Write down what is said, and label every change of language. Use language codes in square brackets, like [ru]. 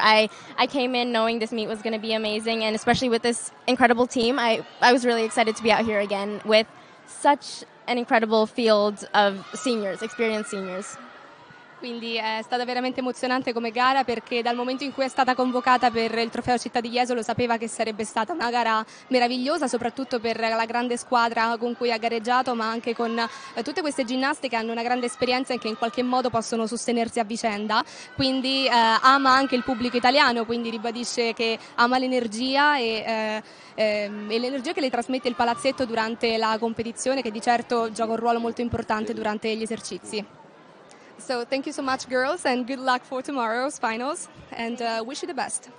[en] I came in knowing this meet was going to be amazing, and especially with this incredible team, I was really excited to be out here again with such an incredible field of seniors, experienced seniors. [it] Quindi è stata veramente emozionante come gara, perché dal momento in cui è stata convocata per il trofeo Città di Jesolo sapeva che sarebbe stata una gara meravigliosa, soprattutto per la grande squadra con cui ha gareggiato, ma anche con tutte queste ginnaste che hanno una grande esperienza e che in qualche modo possono sostenersi a vicenda. Quindi ama anche il pubblico italiano, quindi ribadisce che ama l'energia e l'energia che le trasmette il palazzetto durante la competizione, che di certo gioca un ruolo molto importante durante gli esercizi. [en] So thank you so much, girls, and good luck for tomorrow's finals, and wish you the best.